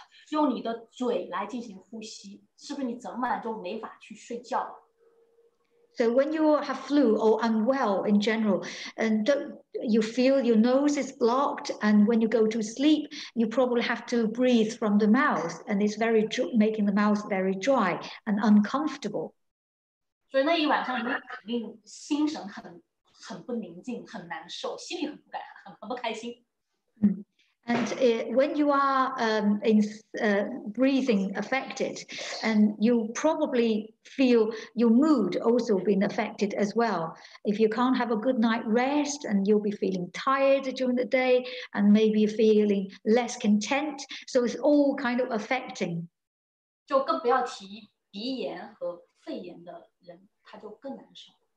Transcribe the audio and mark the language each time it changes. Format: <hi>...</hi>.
<zh>用你的嘴来进行呼吸，是不是你整晚就没法去睡觉？</zh> <en>So when you have flu or unwell in general, and you feel your nose is blocked, and when you go to sleep, you probably have to breathe from the mouth, and it's very making the mouth very dry and uncomfortable.</en> <zh>所以那一晚上你肯定心神很不宁静，很难受，心里很不开心。</zh> <en>And when you are breathing affected, and you probably feel your mood also being affected as well. If you can't have a good night rest, and you'll be feeling tired during the day, and maybe feeling less content, so it's all kind of affecting.</en> <zh>就更不要提鼻炎和肺炎的人，他就更难受。</zh>